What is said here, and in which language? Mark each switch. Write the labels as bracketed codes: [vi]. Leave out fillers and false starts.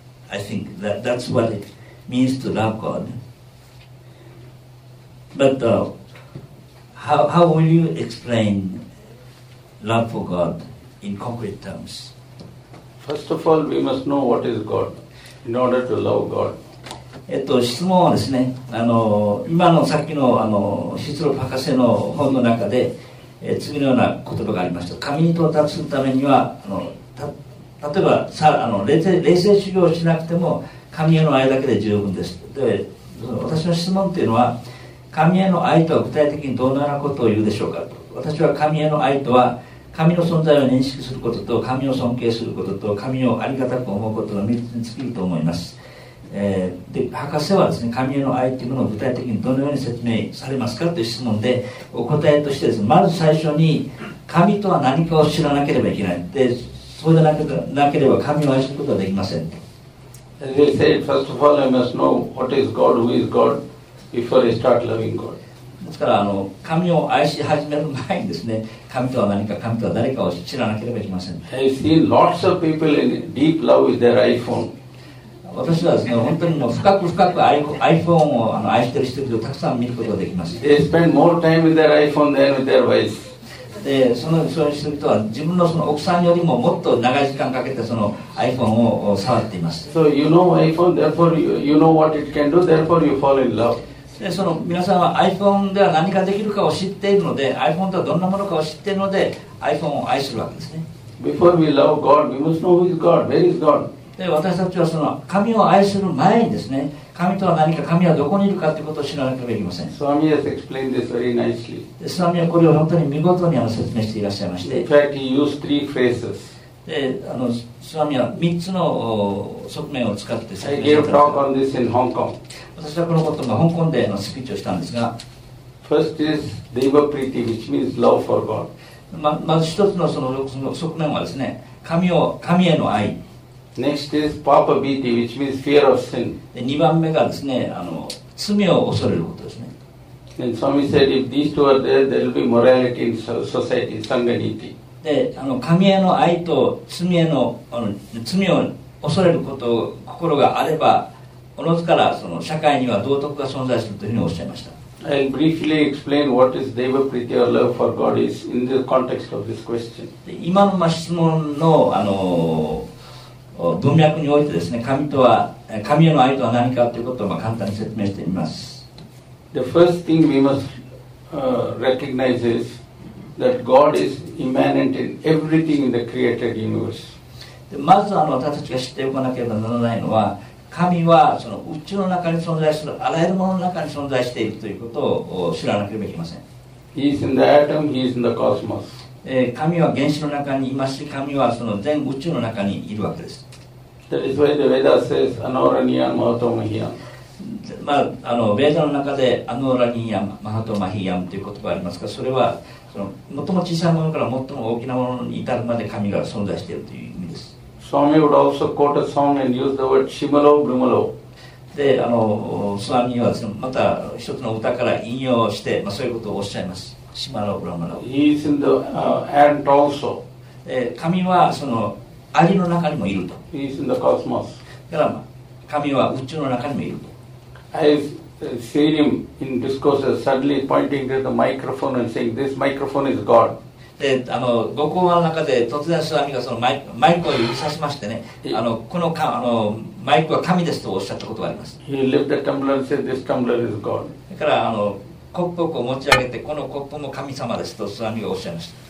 [en] I think that's what it means to love God. But how will you explain love for God in concrete terms? First of all, we must know what is God in order to love God. [ja] 質問はですね、今のさっきの、ヒスロプ博士の本の中で、次のような言葉がありました。神に到達するためには、例えばさ冷静修行をしなくても神への愛だけで十分です。で、私の質問というのは、神への愛とは具体的にどのようなことを言うでしょうかと。私は神への愛とは、神の存在を認識することと、神を尊敬することと、神をありがたく思うことの3つに尽きると思います。で、博士はですね、神への愛というものを具体的にどのように説明されますかという質問で、お答えとしてですね、まず最初に神とは何かを知らなければいけない。で、そうでなければ神を愛することはできません。 [en] As you said, first of all, I must know what is God, who is God, before I start loving God. [ja] ですから、神を愛し始める前にですね、神とは何か、神とは誰かを知らなければいけません。 [en] I see lots of people in deep love with their iPhone. [ja] 私はですね、本当にもう深く iPhone を愛している人々をたくさん見ることができます。 [en] They spend more time with their iPhone than with their wife. [ja] で、その人々は自分 その奥さんよりももっと長い時間かけてその iPhone を触っています。 [en] So you know iPhone, therefore you know what it can do, therefore you fall in love. [ja] で、その皆さんは iPhone では何ができるかを知っているので、 iPhone とはどんなものかを知っているので iPhone を愛するわけですね。 [en] Before we love God, we must know who is God, where is God? [ja] で、私たちはその神を愛する前にですね、神とは何か、神はどこにいるかということを知らなければいけません。 [en] Swami has explained this very nicely. [ja] で、スワミはこれを本当に見事に説明していらっしゃいまして、 [en] In fact, he used three phrases. [ja] で、スワミは3つの側面を使って説明しました。 [en] I gave a talk on this in Hong Kong. [ja] 私はこのことが香港でのスピーチをしたんですが、 [en] First is Deva Priti, which means love for God. [ja] まず一つのその側面はですね、神への愛。 [en] Next is Papa Bhiti, which means fear of sin. [ja] で、2番目がですね、罪を恐れることですね。 [en] And Swami said, if these two are there, there will be morality in society, Sangha Niti. [ja] で、神への愛と罪への、罪を恐れることを心があれば、おのずからその社会には道徳が存在するというふうにおっしゃいました。 [en] I'll briefly explain what is Deva Priti or love for God is in the context of this question. [ja] で、今の質問の、文脈においてですね、神への愛とは何かということを簡単に説明してみます。 [en] The first thing we must recognize is that God is immanent in everything in the created universe. [ja] で、まず私たちが知っておかなければならないのは、神はその宇宙の中に存在するあらゆるものの中に存在しているということを知らなければいけません。 [en] He is in the atom, he is in the cosmos. [ja] 神は原子の中にいますし、神はその全宇宙の中にいるわけです。 [en] That is why the Veda says, Anoraniyam Mahatomahiyam. [ja] まあ、ベーダの中で、Anoraniyam Mahatomahiyam という言葉がありますが、それは、最も小さいものから最も大きなものに至るまで神が存在しているという意味です。 [en] Swami would also quote a song and use the word Shimalo Brumalo. [ja] で、スワミはですね、また一つの歌から引用して、まあ、そういうことをおっしゃいます。 [te] シマロブラマロ。 [en] He is in the ant also. [ja] 神はそのアリの中にもいると。 [en] He is in the cosmos. [ja] だから神は宇宙の中にもいると。 [en] I've seen him in discourses suddenly pointing to the microphone and saying, this microphone is God. He lifted the tumbler and said, this tumbler is God.